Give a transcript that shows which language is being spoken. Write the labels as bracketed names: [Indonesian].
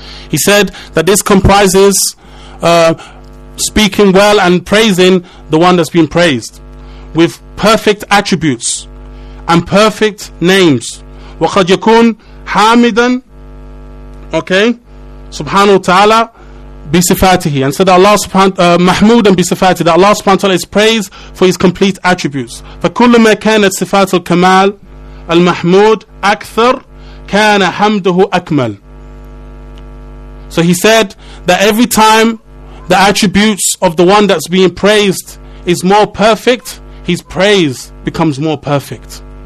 [English] He said that this comprises speaking well and praising the one that's been praised with perfect attributes and perfect names. [Arabic] وَقَدْ يَكُونْ حَامِدًا, okay, سُبْحَانَهُ وَتَعَالَى بِصِفَاتِهِ. [English] And so that Allah [Arabic] مَحْمُودًا بِصِفَاتِهِ, [English] that Allah subhanahu wa ta'ala is praised for His complete attributes. [Arabic] فَكُلَّمَا كَانَتْ صِفَاتُ الْكَمَالِ الْمَحْمُودِ أَكْثَرْ كَانَ حَمْدُهُ أَكْمَلْ. [English] So he said that every time the attributes of the one that's being praised is more perfect, his praise becomes more perfect.